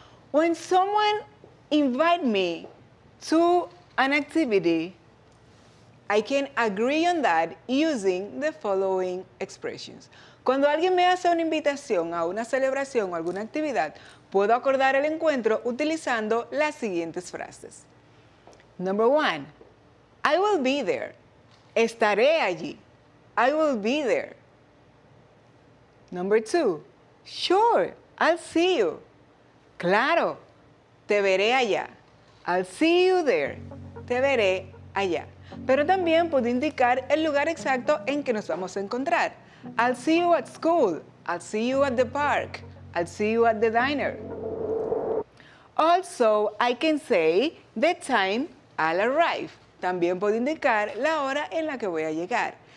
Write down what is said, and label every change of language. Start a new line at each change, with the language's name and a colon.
English: When someone invite me to an activity, I can agree on that using the following expressions.
Spanish: Cuando alguien me hace una invitación a una celebración o alguna actividad, puedo acordar el encuentro utilizando las siguientes frases.
English: Number one, I will be there.
Spanish: Estaré allí.
English: I will be there. Number two, sure, I'll see you.
Spanish: Claro, te veré allá.
English: I'll see you there.
Spanish: Te veré allá. Pero también puedo indicar el lugar exacto en que nos vamos a encontrar.
English: I'll see you at school. I'll see you at the park. I'll see you at the diner. Also, I can say the time I'll arrive.
Spanish: También puedo indicar la hora en la que voy a llegar.